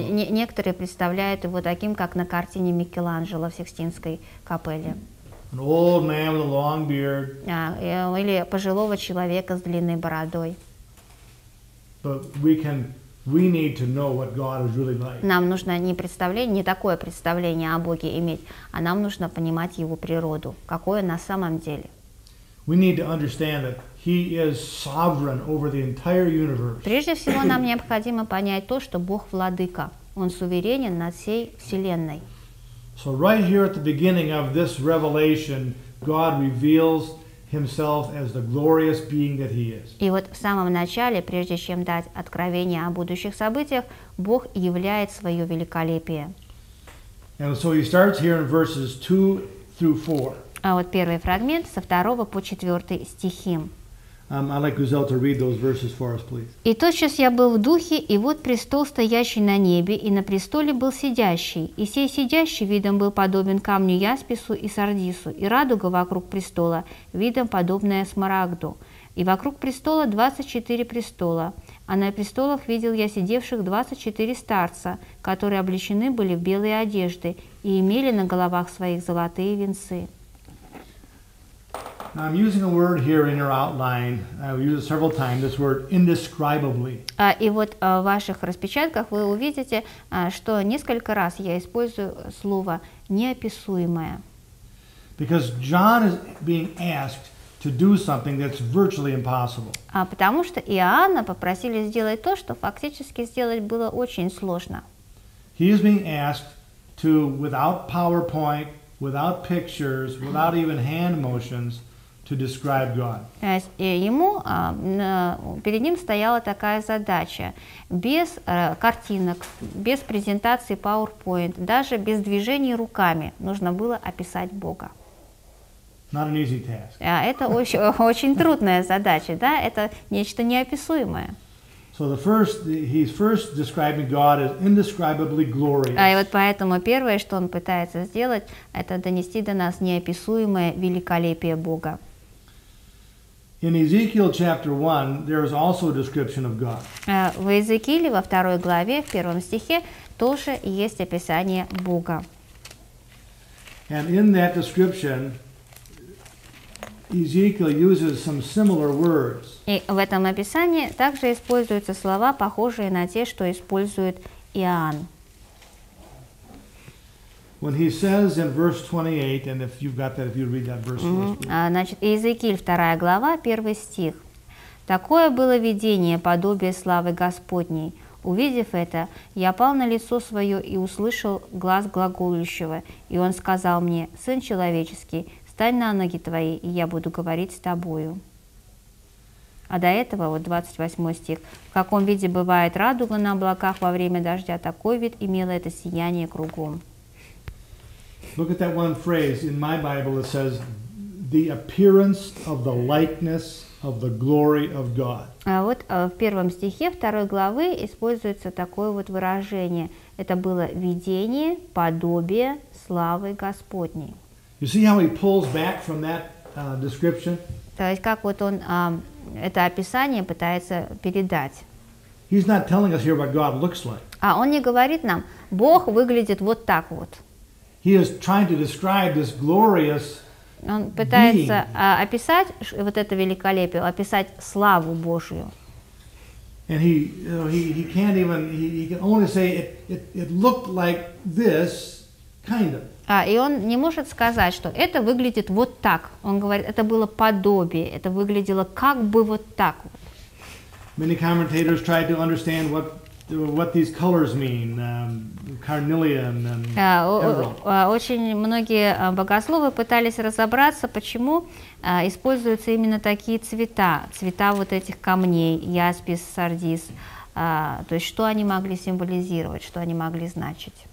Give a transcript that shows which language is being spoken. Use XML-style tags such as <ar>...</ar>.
<ru>Некоторые представляют его таким, как на картине Микеланджело в Сикстинской капелле.</ru> <en>An old man with a long beard.</en> <ru>Или пожилого человека с длинной бородой.</ru> <en>But we need to know what God is really like.</en> <ru>Нам нужно не такое представление о Боге иметь, а нам нужно понимать его природу, какой он на самом деле.</ru> <en>We need to understand that He is sovereign over the entire universe.</en> <ru>Прежде всего, нам необходимо понять то, что Бог владыка. Он суверенен над всей вселенной.</ru> <en>So right here at the beginning of this revelation, God reveals himself as the glorious being that he is.</en> <ru>И вот в самом начале, прежде чем дать откровение о будущих событиях, Бог являет свое великолепие.</ru> <en>And so he starts here in verses 2 through 4.</en> <ru>А вот первый фрагмент со 2 по 4 стихи.</ru> <en>I'd like Guzel to read those verses for us, please.</en> <ru>«И тотчас я был в духе, и вот престол, стоящий на небе, и на престоле был сидящий, и сей сидящий видом был подобен камню яспису и сардису, и радуга вокруг престола, видом подобная смарагду. И вокруг престола 24 престола, а на престолах видел я сидевших 24 старца, которые облечены были в белые одежды и имели на головах своих золотые венцы».</ru> <en>I'm using a word here in your outline. I've used it several times. This word indescribably.</en> <ru>И вот в ваших распечатках вы увидите, что несколько раз я использую слово неописуемое.</ru> <en>Because John is being asked to do something that's virtually impossible.</en> <ru>Потому что Иоанна попросили сделать то, что фактически сделать было очень сложно.</ru> <en>He is being asked to, without PowerPoint, without pictures, without even hand motions, to describe God.</en> <ru>Ему перед ним стояла такая задача: без картинок, без презентации PowerPoint, даже без движений руками, нужно было описать Бога.</ru> <en>Not an easy task.</en> <ru>Это очень трудная задача, да? Это нечто неописуемое.</ru> <en>So the first, he's first describing God as indescribably glorious.</en> <ru>А и вот поэтому первое, что он пытается сделать, это донести до нас неописуемое великолепие Бога.</ru> <en>In Ezekiel chapter 1, there is also a description of God.</en> <ru>В Иезекииле во второй главе, в первом стихе, тоже есть описание Бога.</ru> <en>And in that description, Ezekiel uses some similar words.</en> <ru>И в этом описании также используются слова, похожие на те, что использует Иоанн.</ru> <en>When he says in verse 28, and if you've got that, if you read that verse for us, please.</en> <ru>Значит, Иезекииль, 2 глава, 1 стих. «Такое было видение, подобие славы Господней. Увидев это, я пал на лицо свое и услышал глас глаголющего, и он сказал мне, «Сын человеческий, встань на ноги твои, и я буду говорить с тобою». А до этого, вот 28 стих, «В каком виде бывает радуга на облаках во время дождя, такой вид имело это сияние кругом».</ru> <en>Look at that one phrase in my Bible. It says, "The appearance of the likeness of the glory of God."</en> <ru>Вот в первом стихе второй главы используется такое вот выражение. Это было видение, подобие славы Господней.</ru> <en>You see how he pulls back from that description?</en> <ru>То есть как вот он это описание пытается передать?</ru> <en>He's not telling us here what God looks like.</en> <ru>А он не говорит нам, Бог выглядит вот так вот.</ru> <en>He is trying to describe this glorious being.</en> <ru>Он пытается описать вот это великолепие, описать славу Божию.</ru> <en>And he can't even he can only say it looked like this kind of.</en> <ru>И он не может сказать, что это выглядит вот так. Он говорит, это было подобие, это выглядело как бы вот так.</ru> <en>Many commentators try to understand what these colors mean. Carnelian and emerald.</en> <ru>Очень многие богословы пытались разобраться, почему используются именно такие цвета, цвета вот этих камней, яспис, сардис, то есть что они могли символизировать, что они могли значить.</ru>